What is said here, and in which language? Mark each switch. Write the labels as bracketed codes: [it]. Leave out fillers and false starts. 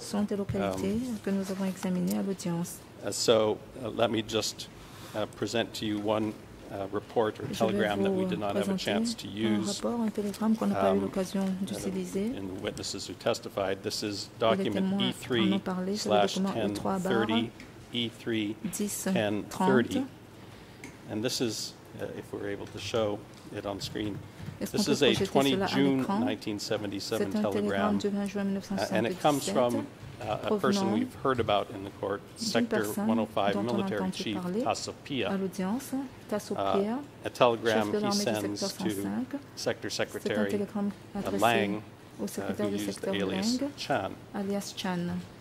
[fr] Sont des localités que nous avons examinées à l'audience. [en] So let me just present to you one report or telegram that we did not have a chance to use. [fr] Un rapport, un télégramme qu'on n'a pas eu l'occasion d'utiliser. [en] And the witnesses who testified, this is document E3-1030. And this is if we're able to show it on screen. This is a 20 June 1977 telegram, and it comes from a person we've heard about in the court, Sector 105 Military Chief Tasopia, a telegram he sends to Sector Secretary Lang, who used the alias Chan.